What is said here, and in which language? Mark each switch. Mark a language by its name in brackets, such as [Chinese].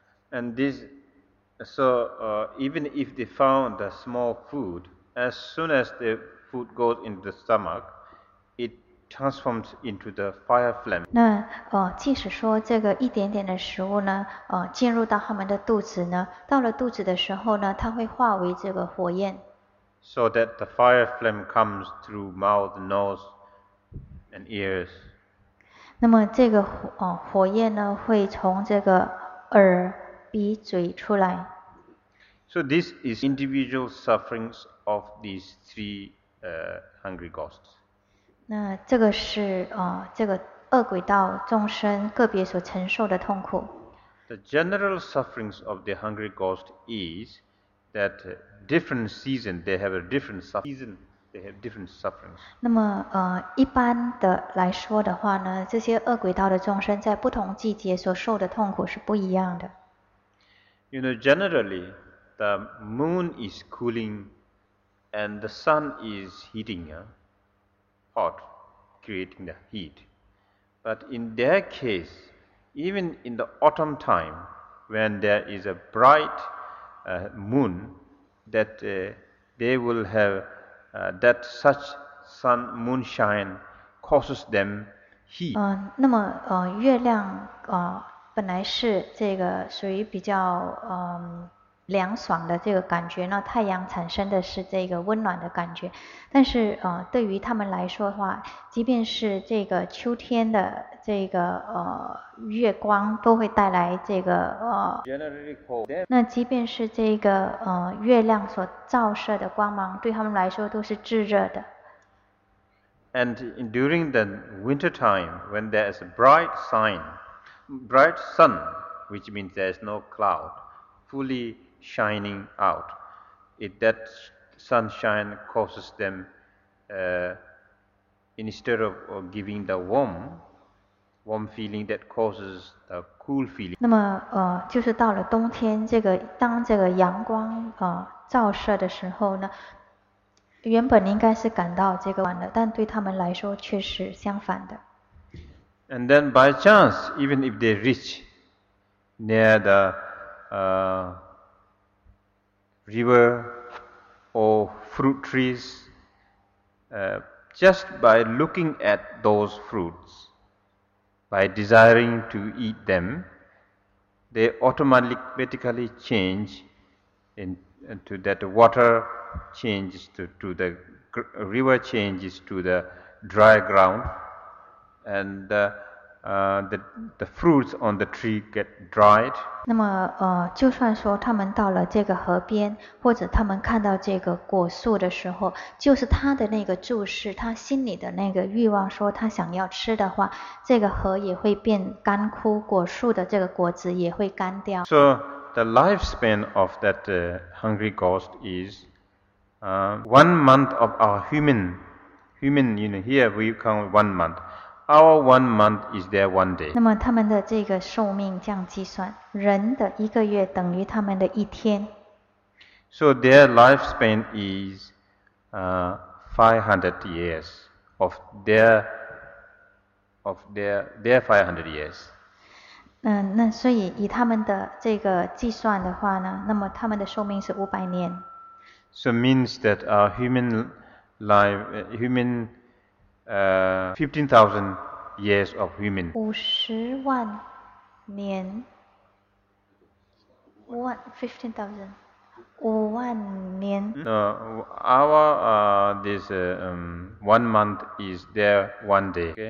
[English] And this, so even if they found the small food, as soon as the food goes into the stomach, it transforms into the fire flame. [Chinese] 那即使说这个一点点的食物呢，进入到他们的肚子呢，到了肚子的时候呢，它会化为这个火焰。 [English] So that the fire flame comes through mouth, nose, and ears. [Chinese] 那么这个火焰呢，会从这个耳鼻嘴出来。 [English] So this is individual sufferings of these three hungry ghosts. [Chinese] 那这个是这个恶鬼道众生个别所承受的痛苦。 [English] The general sufferings of the hungry ghost is that different season they have a different suffering. They have different sufferings. [Chinese] 那么一般的来说的话呢，这些恶鬼道的众生在不同季节所受的痛苦是不一样的。 [English] You know, generally, the moon is cooling and the sun is heating, hot, creating the heat. But in their case, even in the autumn time, when there is a bright moon, that they will have that such sun, moonshine causes them heat. [Chinese] 那么月亮本来是这个属于比较凉爽的这个感觉呢，太阳产生的是这个温暖的感觉，但是对于他们来说的话，即便是这个秋天的这个月光都会带来这个那即便是这个月亮所照射的光芒对他们来说都是炙热的。 [English] And during the winter time when there is a bright sun, which means there is no cloud, fully shining out. If that sunshine causes them, instead of giving the warm feeling, that causes the cool feeling. [Chinese] 那么就是到了冬天，这个当这个阳光照射的时候呢，原本应该是感到这个暖的，但对他们来说却是相反的。 [English] And then by chance, even if they reach near the river or fruit trees, just by looking at those fruits, by desiring to eat them, they automatically change into that water changes to the river changes to the dry ground. And the fruits on the tree get dried. [Chinese] 那么就算说他们到了这个河边，或者他们看到这个果树的时候，就是他的那个注视，他心里的那个欲望，说他想要吃的话，这个河也会变干枯，果树的这个果子也会干掉。 [English] So the lifespan of that hungry ghost is one month of our human. You know, here we count one month. Our one month is their one day. [Chinese] 那么他们的这个寿命这样计算，人的一个月等于他们的一天。 [English] So their lifespan is 500 years of their 500 years. [Chinese] 那所以以他们的这个计算的话呢，那么他们的寿命是500年。 [English] So means that our human life, human 15,000years of human. 50,000 years. No, our one month is there one day.